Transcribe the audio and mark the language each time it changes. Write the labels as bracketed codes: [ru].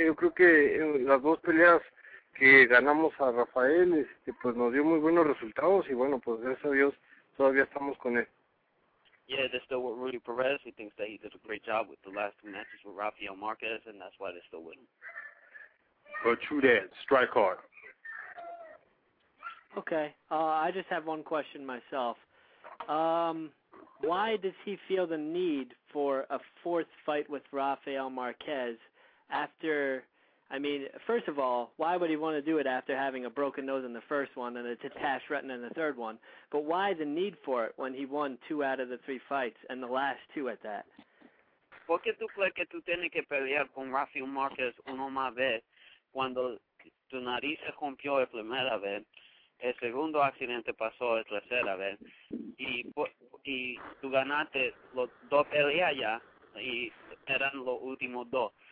[es] Yo creo que las dos peleas que ganamos a Rafael, pues nos dio muy buenos resultados. Y bueno, pues gracias a Dios, todavía estamos con él. [en] Yeah, they're still with Rudy Perez. He thinks that he did a great job with the last two matches with Rafael Marquez, and that's why they're still with him. But true that. Strike hard. Okay. I just have one question myself. Why does he feel the need for a fourth fight with Rafael Marquez after, I mean, first of all, why would he want to do it after having a broken nose in the first one and a detached retina in the third one? But why the need for it when he won two out of the three fights and the last two at that? [es] ¿Por qué tú crees que tú tienes que pelear con Rafael Marquez una más vez cuando tu nariz se rompió la primera vez? El segundo accidente pasó la tercera vez y tú ganaste los dos peleas ya y eran los últimos dos.